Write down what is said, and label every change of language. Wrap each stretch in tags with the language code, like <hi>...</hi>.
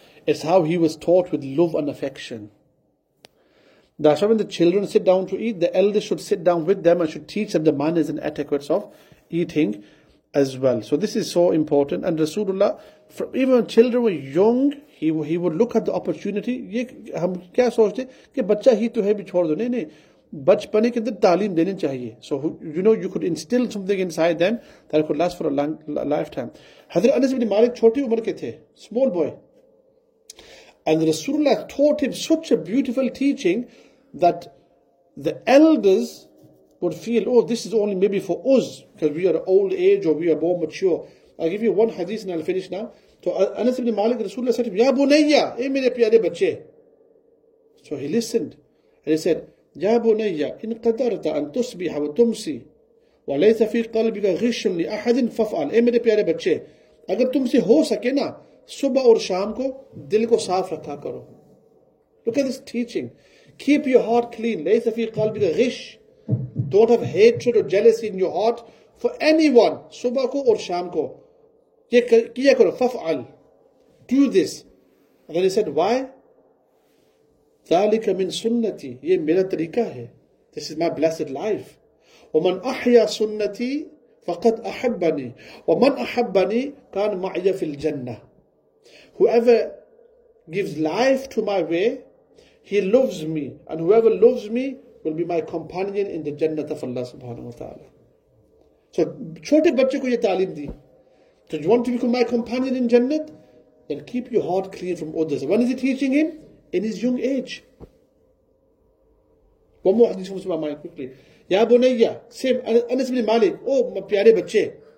<en>It's how he was taught with love and affection. That's why when the children sit down to eat, the elders should sit down with them and should teach them the manners and etiquettes of eating as well. So this is so important. And Rasulullah, from even when children were young, he would look at the opportunity.</en> <ur>بچپنے کے اندر تعلیم دینے چاہیے.</ur> <en>So you know, you could instill something inside them that could last for a long lifetime.</en> <ur>حضرت انس بن مالک چھوٹی عمر کے تھے,</ur> <en>small boy, and Rasulullah taught him such a beautiful teaching that the elders would feel, oh, this is only maybe for us because we are old age or we are more mature. I'll give you one hadith and I'll finish now. So Anas bin Malik, Rasulullah said to him,</en> <ar>Ya Bunayya,</ar> <ur>اے میرے پیارے بچے.</ur> <en>So he listened and he said,</en> <ar>يا بني إن قدرت أن تصبح وتمسي وليس في قلبك غش لأحد ففعل.</ar> <ur>اے میرے پیارے بچے, اگر تم سے ہو سکے نا صبح اور شام کو دل کو صاف رکھا کرو.</ur> <en>Look at this teaching. Keep your heart clean.</en> <ar>ليس في قلبك غش.</ar> <en>Don't have hatred or jealousy in your heart for anyone.</en> <ur>صبح کو اور شام کو یہ کیا کرو, ففعل.</ur> <en>Do this. And then he said, why?</en> <ar>ذَلِكَ مِن سُنَّتِي,</ar> <ur>یہ میرا طریقہ ہے.</ur> <en>This is my blessed life.</en> <ar>وَمَنْ أَحْيَا سُنَّتِي فَقَدْ أَحَبَّنِي وَمَنْ أَحَبَّنِي كَانَ مَعْيَ فِي الْجَنَّةِ.</ar> <en>Whoever gives life to my way, he loves me. And whoever loves me will be my companion in the Jannah of Allah subhanahu wa ta'ala.</en> <ur>So, چھوٹے بچے کو یہ تعلیم دی.</ur> <en>So, you want to become my companion in Jannah? Then keep your heart clean from others. When is he teaching him? In his young age. One more hadith comes to my mind quickly.</en> <ar>Ya Bunayya,</ar> <en>same, Anas ibn Malik, oh, my</en> <ur>piyare bache.</ur>